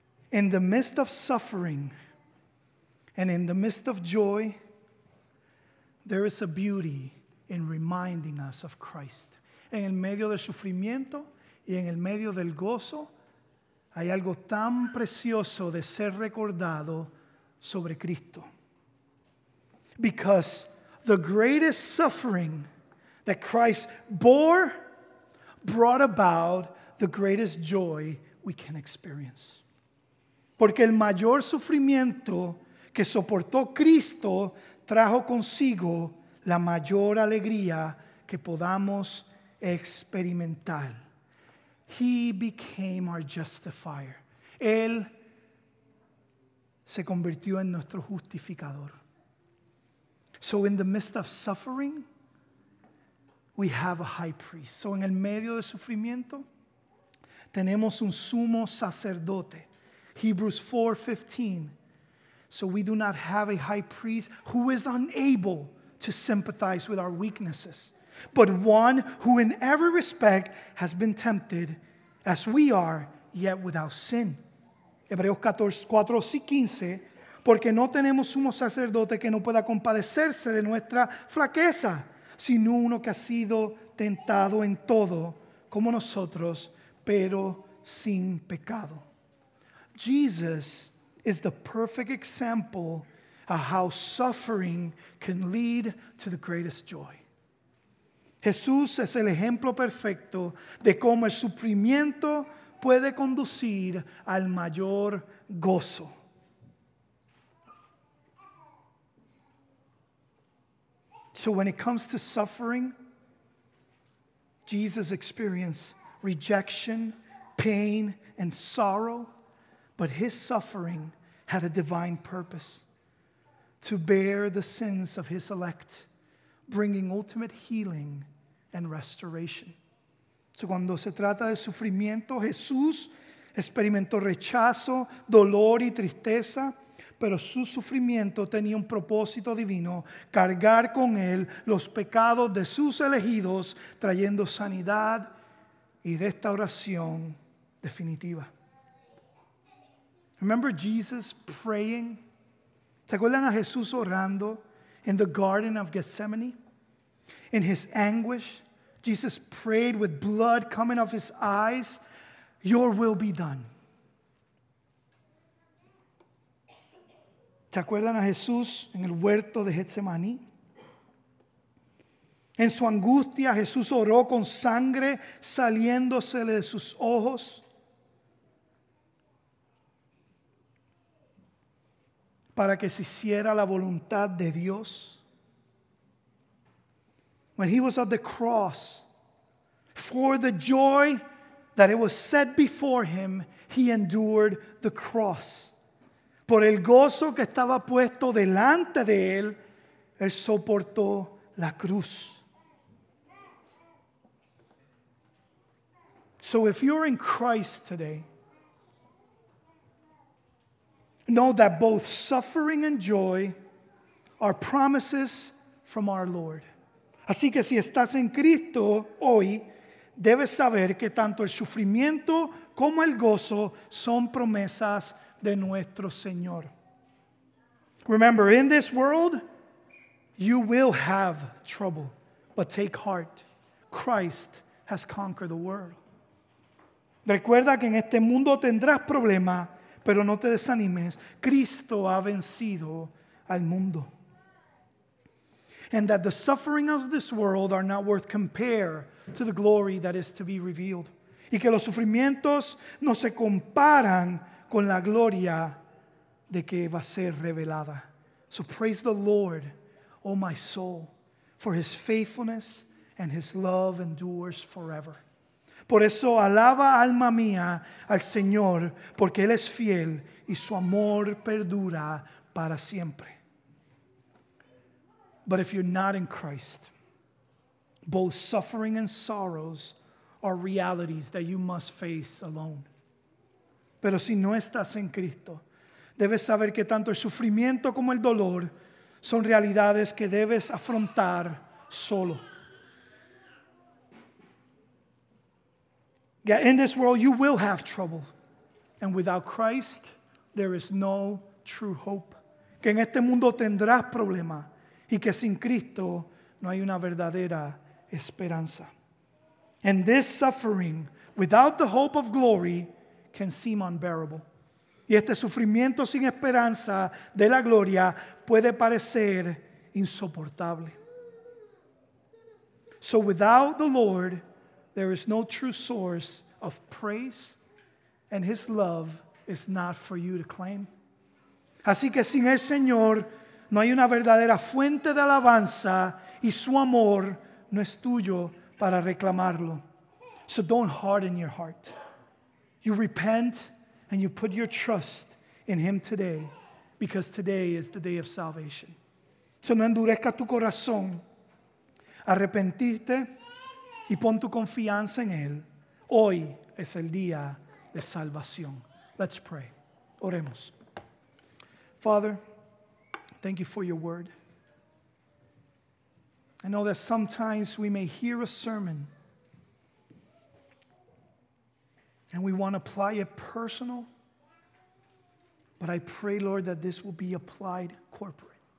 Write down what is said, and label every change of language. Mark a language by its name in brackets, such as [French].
[English] In the midst of suffering and in the midst of joy, there is a beauty in reminding us of Christ. [Spanish] En el medio del sufrimiento y en el medio del gozo, hay algo tan precioso de ser recordado sobre Cristo. [English] Because the greatest suffering that Christ bore brought about the greatest joy we can experience. [Spanish] Porque el mayor sufrimiento que soportó Cristo trajo consigo la mayor alegría que podamos experimentar. [English] He became our justifier. [Spanish] Él se convirtió en nuestro justificador. [English] So in the midst of suffering, we have a high priest. [Spanish] So en el medio del sufrimiento, tenemos un sumo sacerdote. [English] Hebrews 4:15. So we do not have a high priest who is unable to sympathize with our weaknesses, but one who in every respect has been tempted as we are, yet without sin. [Spanish] Hebreos 4:15. Porque no tenemos sumo sacerdote que no pueda compadecerse de nuestra flaqueza, sino uno que ha sido tentado en todo como nosotros, pero sin pecado. [English] Jesus is the perfect example of how suffering can lead to the greatest joy. [Spanish] Jesús es el ejemplo perfecto de cómo el sufrimiento puede conducir al mayor gozo. [English] So when it comes to suffering, Jesus experienced rejection, pain, and sorrow, but his suffering had a divine purpose: to bear the sins of his elect, bringing ultimate healing and restoration. [Spanish] So cuando se trata de sufrimiento, Jesús experimentó rechazo, dolor y tristeza, pero su sufrimiento tenía un propósito divino: cargar con él los pecados de sus elegidos, trayendo sanidad y restauración definitiva. [English] Remember Jesus praying? [Spanish] ¿Se acuerdan a Jesús orando [English] in the Garden of Gethsemane? In his anguish, Jesus prayed with blood coming off his eyes, "Your will be done." [Spanish] ¿Se acuerdan a Jesús en el huerto de Getsemaní? En su angustia, Jesús oró con sangre saliéndosele de sus ojos. Para que se hiciera la voluntad de Dios. [English] When he was on the cross, for the joy that it was set before him, he endured the cross. [Spanish] Por el gozo que estaba puesto delante de él, él soportó la cruz. [English] So if you're in Christ today, know that both suffering and joy are promises from our Lord. [Spanish] Así que si estás en Cristo hoy, debes saber que tanto el sufrimiento como el gozo son promesas de nuestro Señor. [English] Remember, in this world, you will have trouble, but take heart. Christ has conquered the world. [Spanish] Recuerda que en este mundo tendrás problemas, pero no te desanimes. Cristo ha vencido al mundo. [English] And that the sufferings of this world are not worth compare to the glory that is to be revealed. [Spanish] Y que los sufrimientos no se comparan con la gloria de que va a ser revelada. [English] So praise the Lord, O my soul, for his faithfulness and his love endures forever. [Spanish] Por eso alaba alma mía al Señor, porque Él es fiel y su amor perdura para siempre. [English] But if you're not in Christ, both suffering and sorrows are realities that you must face alone. [Spanish] Pero si no estás en Cristo, debes saber que tanto el sufrimiento como el dolor son realidades que debes afrontar solo. [English] Yeah, in this world, you will have trouble. And without Christ, there is no true hope. [Spanish] Que en este mundo tendrás problema. Y que sin Cristo, no hay una verdadera esperanza. [English] And this suffering, without the hope of glory, can seem unbearable. [Spanish] Y este sufrimiento sin esperanza de la gloria puede parecer insoportable. [English] So without the Lord, there is no true source of praise, and his love is not for you to claim. [Spanish] Así que sin el Señor, no hay una verdadera fuente de alabanza, y su amor no es tuyo para reclamarlo. [English] So don't harden your heart. You repent and you put your trust in him today, because today is the day of salvation. [Spanish] So no endurezca tu corazón. Arrepentiste. Y pon tu confianza en Él. Hoy es el día de salvación. [English] Let's pray. [Spanish] Oremos. [English] Father, thank you for your word. I know that sometimes we may hear a sermon and we want to apply it personal, but I pray, Lord, that this will be applied corporate.